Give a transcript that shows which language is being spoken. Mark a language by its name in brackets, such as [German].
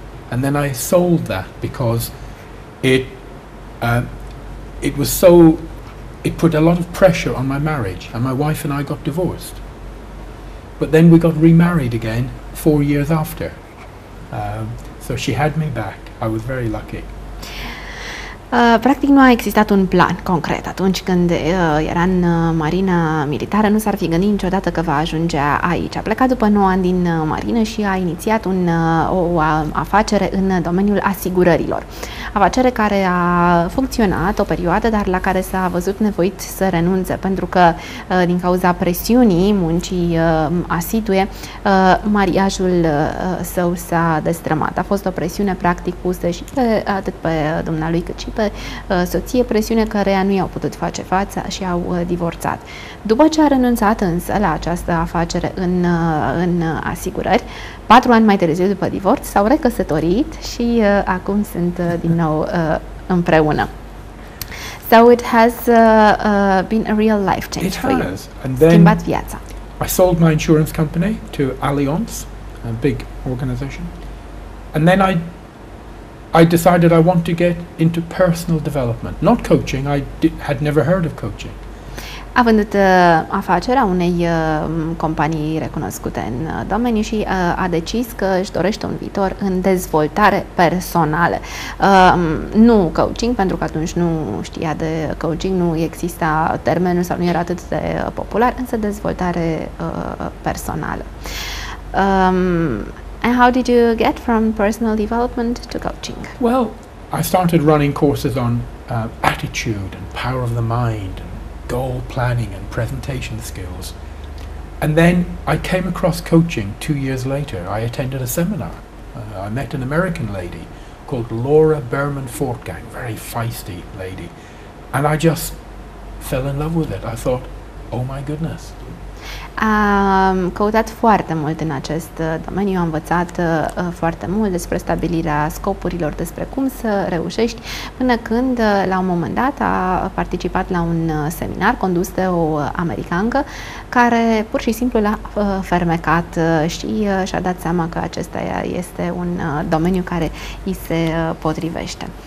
[English] And then I sold that because it put a lot of pressure on my marriage, and my wife and I got divorced. But then we got remarried again 4 years after. So she had me back. I was very lucky. [Romanian] Practic nu a existat un plan concret atunci când era în Marina Militară, nu s-ar fi gândit niciodată că va ajunge aici. A plecat după 9 ani din Marină și a inițiat o afacere în domeniul asigurărilor. Afacere care a funcționat o perioadă, dar la care s-a văzut nevoit să renunțe, pentru că din cauza presiunii muncii asidue, mariajul său s-a destrămat. A fost o presiune practic pusă și pe, atât pe dumnealui cât și pe soție, presiune căreia nu i-au putut face față și au divorțat. După ce a renunțat însă la această afacere în asigurări, 4 ani mai târziu după divorț, s-au recăsătorit și acum sunt din nou împreună. [English] So it has been a real life change it for has. You. And then [Romanian] schimbat viața. [English] I sold my insurance company to Allianz, a big organization. And then I decided I want to get into personal development, not coaching. I had never heard of coaching. [Romanian] A vândut afacerea unei companii recunoscute în domeniu și a decis că își dorește un viitor în dezvoltare personală. Nu coaching, pentru că atunci nu știa de coaching, nu exista termenul sau nu era atât de popular, însă dezvoltare personală. [English] And how did you get from personal development to coaching? Well, I started running courses on attitude and power of the mind and goal planning and presentation skills. And then I came across coaching 2 years later. I attended a seminar. I met an American lady called Laura Berman Fortgang, very feisty lady. And I just fell in love with it. I thought, oh my goodness. [Romanian] Am căutat foarte mult în acest domeniu, am învățat foarte mult despre stabilirea scopurilor, despre cum să reușești, până când, la un moment dat, a participat la un seminar condus de o americană care pur și simplu l-a fermecat și și-a dat seama că acesta este un domeniu care îi se potrivește.